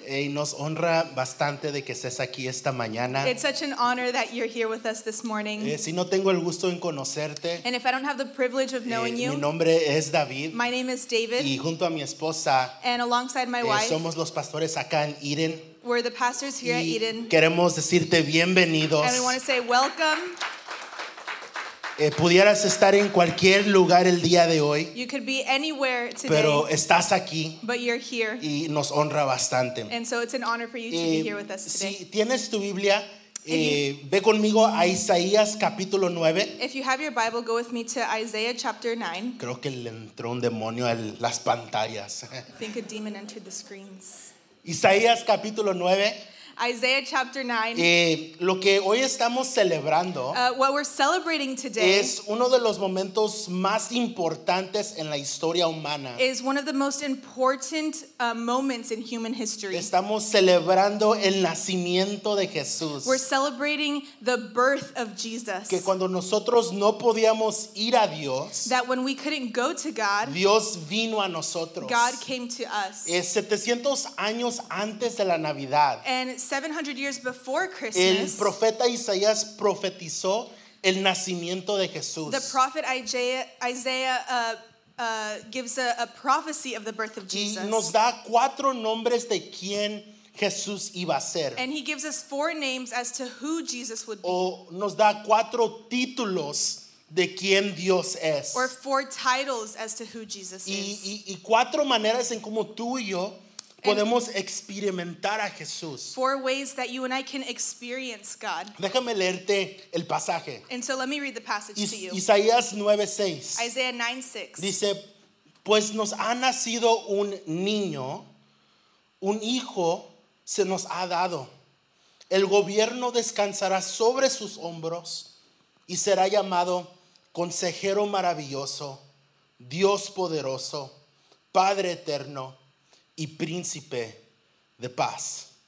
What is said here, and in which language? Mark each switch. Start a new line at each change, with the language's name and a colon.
Spanish: Y nos honra bastante de que estés aquí esta mañana.
English: It's such an honor that you're here with us this morning.
Spanish: Si no tengo el gusto en conocerte.
English: And if I don't have the privilege of knowing you.
Spanish: Mi nombre es David.
English: My name is David.
Spanish: Y junto a mi esposa.
English: And alongside my wife.
Spanish: Somos los pastores acá en Eden.
English: We're the pastors here at Eden.
Spanish: Queremos decirte bienvenidos.
English: And we want to say welcome.
Spanish: Pudieras estar en cualquier lugar el día de hoy,
English: you could be anywhere today,
Spanish: pero estás aquí,
English: but you're here,
Spanish: y nos honra bastante.
English: And so it's an honor for you to be here with us today.
Spanish: Si tienes tu Biblia, ve conmigo a Isaías capítulo 9.
English: If you have your Bible, go with me to Isaiah chapter 9.
Spanish: Creo que le entró un demonio a las pantallas.
English: I think a demon entered the screens.
Spanish: Isaías capítulo 9.
English: Isaiah chapter 9.
Spanish: Lo que hoy estamos celebrando,
English: what we're celebrating today,
Spanish: es uno de los momentos más importantes en la historia humana.
English: Is one of the most important moments in human history.
Spanish: Estamos celebrando el nacimiento de Jesús.
English: We're celebrating the birth of Jesus.
Spanish: Que cuando nosotros no podíamos ir a Dios,
English: that when we couldn't go to God,
Spanish: Dios vino a nosotros.
English: God came to us.
Spanish: 700 años antes de la Navidad.
English: And 700 years before Christmas,
Spanish: el profeta Isaías profetizó el nacimiento de Jesús.
English: The prophet Isaiah gives a prophecy of the birth of Jesus.
Spanish: Y nos da cuatro nombres de quién Jesús iba a ser.
English: And he gives us four names as to who Jesus would be.
Spanish: O nos da cuatro títulos de quién Dios es.
English: Or four titles as to who Jesus is.
Spanish: Y cuatro maneras en cómo tú y yo podemos experimentar a Jesús.
English: Four ways that you and I can experience God.
Spanish: Déjame leerte el pasaje.
English: And so let me read the passage to you.
Spanish: Isaías 9:6.
English: Isaiah 9:6.
Spanish: Dice, pues nos ha nacido un niño, un hijo se nos ha dado. El gobierno descansará sobre sus hombros y será llamado Consejero Maravilloso, Dios Poderoso, Padre Eterno, y Príncipe de Paz.